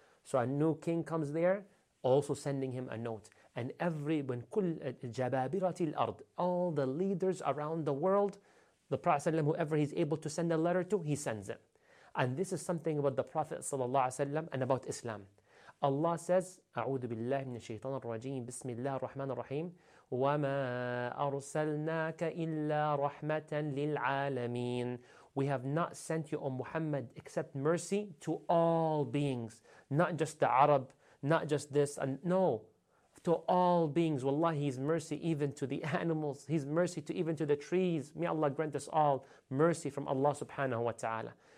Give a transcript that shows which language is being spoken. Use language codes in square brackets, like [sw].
[en] So a new king comes there, also sending him a note. And every, when [ar] kul jababirati al-ard, [en] all the leaders around the world, the Prophet sallallahu alaihi wasallam, whoever he's able to send a letter to, he sends it. And this is something about the Prophet sallallahu alaihi wasallam and about Islam. Allah says, [ar] أعوذ بالله من الشيطان الرجيم بسم الله الرحمن الرحيم وما أرسلناك إلا رحمة للعالمين. [en] We have not sent you, O Muhammad, except mercy to all beings. Not just the Arab, not just this, and no, to all beings. Wallahi, His mercy even to the animals, His mercy to even to the trees. May Allah grant us all mercy from Allah subhanahu wa ta'ala.